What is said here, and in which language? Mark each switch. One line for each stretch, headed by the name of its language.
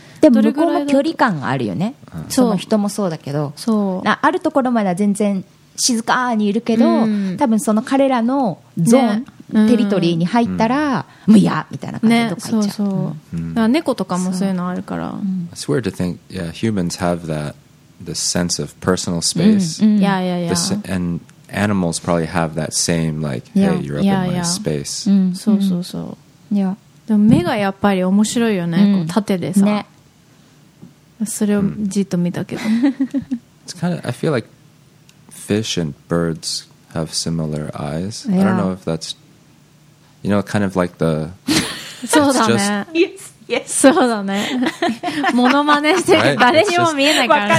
Japanese: でも向こうも距離感があるよね、その人もそうだけど、そうなあるところまでは全然静かにいるけど、多分その彼らのゾーン、テリトリーに入ったら、もういやみたいな感じでどっか行っちゃう、ね、そうそう猫とかもそういうのあるから、
English: It's weird to think, yeah, humans have thatthe sense of personal space. Yeah, yeah, yeah. And animals probably have that same, like, hey, you're up in my space.
Japanese: そうそうそう。
English: Yeah.
Japanese: でも目がやっぱり面白いよね。こう縦でさ。ね。それをじっと見たけど。
English: It's kind of, I feel like fish and birds have similar eyes. I don't know if that's, you know, kind of like the...
Japanese: そうだね。
English: Yes.
Japanese: そうだね。モノマネして誰にも見えないから、